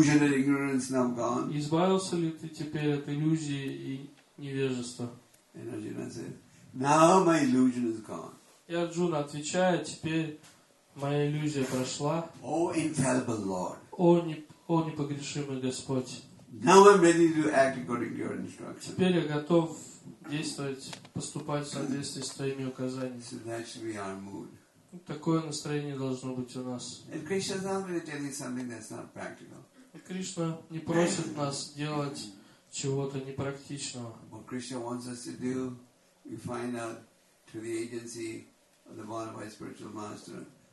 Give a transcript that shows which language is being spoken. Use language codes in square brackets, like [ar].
[ru] Избавился ли ты теперь от иллюзии и невежества? И Арджуна отвечает, теперь моя иллюзия прошла. [en] О, infallible Lord. [ru] О, непогрешимый Господь. [en] Now I'm ready to act according to your instructions. [ru] Теперь я готов действовать, поступать в соответствии с твоими указаниями. [en] So that should be our mood. [ru] Такое настроение должно быть у нас. [en] And Krishna's not really telling something that's not practical. [ru] Кришна не просит нас делать чего-то непрактичного. [en] What Krishna wants us to do, we find out through the agency of the bona fide spiritual master.